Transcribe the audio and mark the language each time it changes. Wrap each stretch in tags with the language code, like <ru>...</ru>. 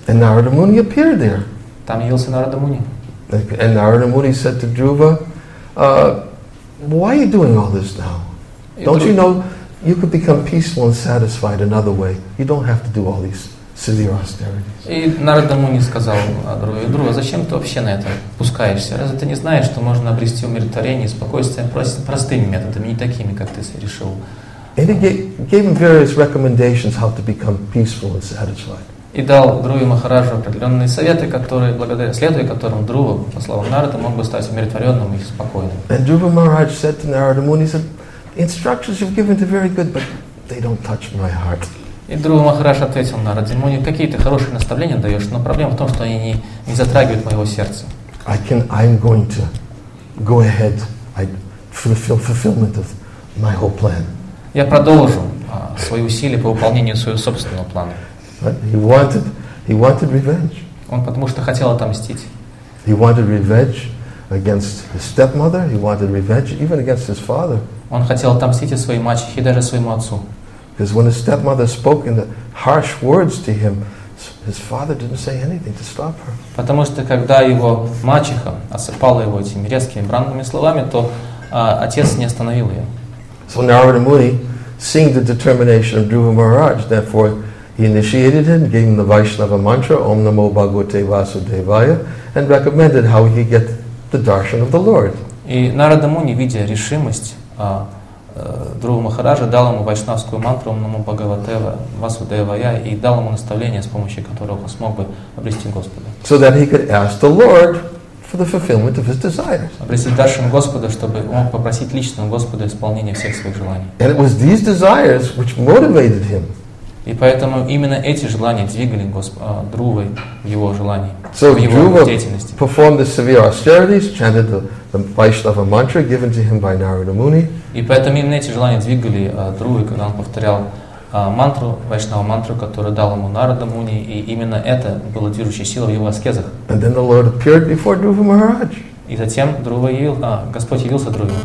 <en>And Narada Muni appeared there.</en> <ru>Там явился Нарада Муни.</ru> <en>And Narada Muni said to Dhruva, "Why are you doing all this now? Don't you know you could become peaceful and satisfied another way? You don't have to do all these silly austerities."</en> <ru>И Нарада Муни сказал Друве, Друва, зачем ты вообще на это пускаешься? Разве ты не знаешь, что можно обрести умиротворение и спокойствие простыми методами, не такими, как ты решил?</ru> <en>And he gave him various recommendations how to become peaceful and satisfied.</en> <ru>И дал Друве Махараджу определенные советы, которые, благодаря следуя которым Друва, по словам Нарада, мог бы стать умиротворенным и спокойным.</ru> <en>And Dhruva Maharaj said to Narada Muni, he said, "Instructions you've given are very good, but they don't touch my heart."</en> <ru>И Друва Махарадж ответил Нараде Муни, "Какие ты хорошие наставления даешь, но проблема в том, что они не затрагивают моего сердца."</ru> <en>I'm going to go ahead. I fulfill fulfillment of my whole plan.</en> <ru>Я продолжу свои усилия по выполнению своего собственного плана.</ru> <en>He wanted revenge.</en> <ru>Он потому что хотел отомстить.</ru> <en>He wanted revenge against his stepmother, he wanted revenge even against his father.</en> <ru>Он хотел отомстить и своей мачехе, и даже своему отцу.</ru> <en>Because when his stepmother spoke in the harsh words to him, his father didn't say anything to stop her.</en> <ru>Потому что когда его мачеха осыпала его этими резкими бранными словами, то отец не остановил ее.</ru> <en>So Narada Muni, seeing the determination of Dhruva Maharaj, therefore he initiated him, gave him the Vaishnava mantra, Om Namo Bhagavate Vasudevaya, and recommended how he get the darshan of the Lord.</en> <ru>И Нарада Муни, видя решимость Друва Махараджа, дал ему вайшнавскую мантру Ом Намо Бхагавате Васудевая и дал ему наставление, с помощью которого он смог бы обрести Господа.</ru> <en>So that he could ask the Lord for the fulfillment of his desires.</en> <ru>Обрести даршан Господа, чтобы он мог попросить лично у Господа исполнение всех своих желаний.</ru> <en>And it was these desires which motivated him.</en> <ru>И поэтому именно эти желания двигали Друвой в его желании,</ru> <en>so</en> <ru>в его</ru> <en>Dhruva</en> <ru>деятельности.</ru> <en>Performed the severe austerities, chanted the Vaishnava mantra given to him by Narada Muni.</en> <ru>И поэтому именно эти желания двигали Друву, когда он повторял мантру, вайшнава мантру, которую дал ему Нарада Муни, и именно это было движущей силой в его аскезах.</ru> <en>And then the Lord appeared before Dhruva Maharaj.</en> <ru>И затем Друва явил, Господь явился Друву.</ru>